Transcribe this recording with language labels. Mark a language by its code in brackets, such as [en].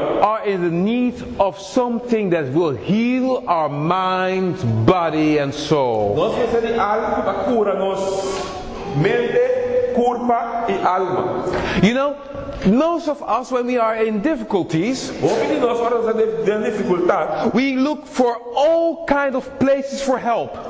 [en] are in the need of something that will heal our mind, body and soul. [pt] Nós precisamos de algo que cura nossa mente, corpo e alma. [en] You know, most of us, when we are in difficulties, we look for all kinds of places for help.